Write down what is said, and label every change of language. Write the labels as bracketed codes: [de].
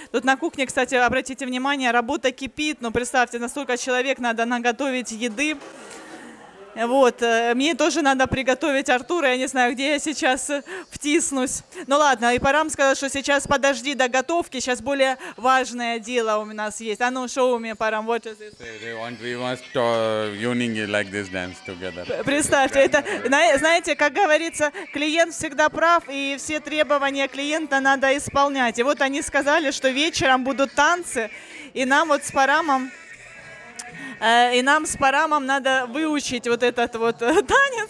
[ru] Тут на кухне, кстати, обратите внимание, работа кипит, ну представьте, насколько человек надо наготовить еды. Вот, мне тоже надо приготовить Артура, я не знаю, где я сейчас втиснусь. Ну ладно, и Парам сказал, что сейчас подожди до готовки, сейчас более важное дело у нас есть. А ну, [en] show me, Парам, what is this? We must tuning it like this dance together. [ru] Представьте, это, знаете, как говорится, клиент всегда прав, и все требования клиента надо исполнять. И вот они сказали, что вечером будут танцы, и нам вот с Парамом... И нам с Парамом надо выучить вот этот вот танец.